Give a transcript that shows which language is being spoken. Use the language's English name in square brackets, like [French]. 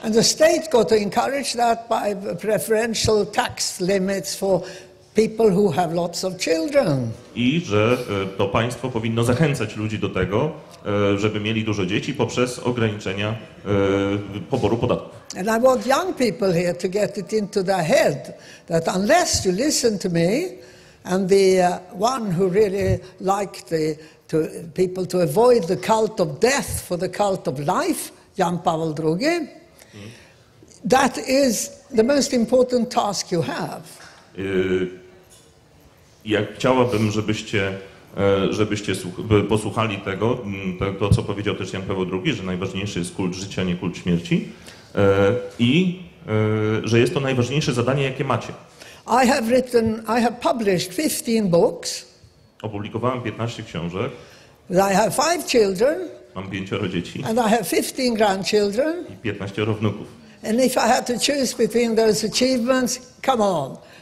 [English] And the state got to encourage that by preferential tax limits for people who have lots of children. [Polish] I że to państwo powinno zachęcać ludzi do tego, żeby mieli dużo dzieci poprzez ograniczenia poboru podatków. [English] And I want young people here to get it into their head that unless you listen to me, and the one who really liked the people to avoid the cult of death for the cult of life, Jan Paweł II, that is the most important task you have. [Polish] Jak chciałabym, żebyście żebyście posłuchali tego, to co powiedział też Jan Paweł II, że najważniejszy jest kult życia, nie kult śmierci i że jest to najważniejsze zadanie, jakie macie. [English] I have published 15 books. [Polish] Opublikowałem 15 książek. [English] I have 5 children. [Polish] Mam 5 dzieci. [English] And I have 15 grandchildren. [Polish] I 15 wnuków. [English] And if I had to choose between those achievements, come on.